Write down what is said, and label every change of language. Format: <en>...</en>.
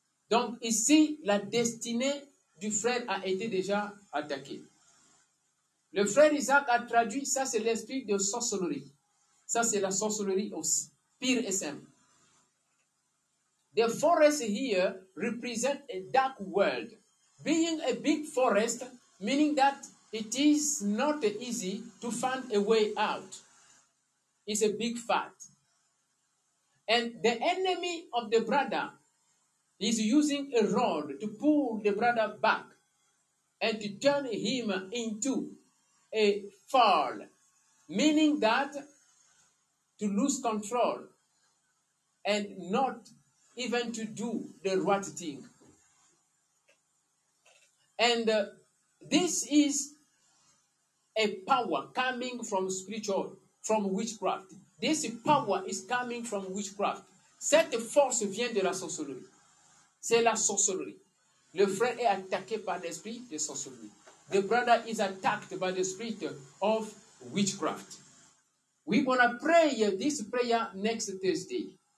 <fr>Donc ici, la destinée du frère a été déjà attaquée. Le frère Isaac a traduit, ça c'est l'esprit de sorcellerie. Ça c'est la sorcellerie aussi, pire et simple.</fr> <en>The forest here represents a dark world. Being a big forest, meaning that it is not easy to find a way out. It's a big fact. And the enemy of the brother is using a rod to pull the brother back and to turn him into a fall, meaning that to lose control and not even to do the right thing. And this is a power coming from spiritual, from witchcraft. This power is coming from witchcraft.</en> <fr>Cette force vient de la sorcellerie.</fr> <en>C'est la sorcellerie.</en> <fr>Le frère est attaqué par l'esprit de sorcellerie.</fr> <en>The brother is attacked by the spirit of witchcraft. We're going to pray this prayer next Thursday.</en>